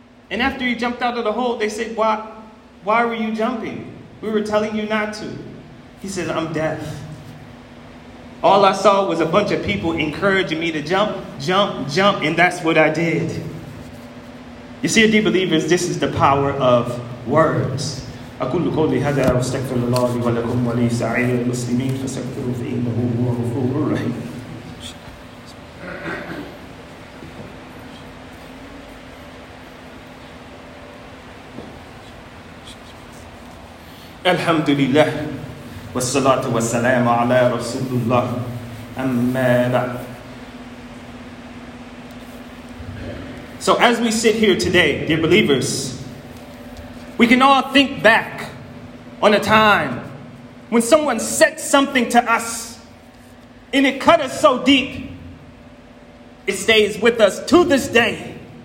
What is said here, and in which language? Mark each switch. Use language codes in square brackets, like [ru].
[en] And after he jumped out of the hole, they said, why were you jumping? We were telling you not to. He said, I'm deaf. All I saw was a bunch of people encouraging me to jump, and that's what I did. You see, dear believers, this is the power of words. [ar] أقول قولي هذا واستغفر الله لي ولكم ولسائر المسلمين فاستغفروه فإنه هو الغفور الرحيم. الحمد لله والصلاة والسلام على رسول الله أما بعد. [en] So as we sit here today, dear believers, we can all think back on a time when someone said something to us and it cut us so deep, it stays with us to this day.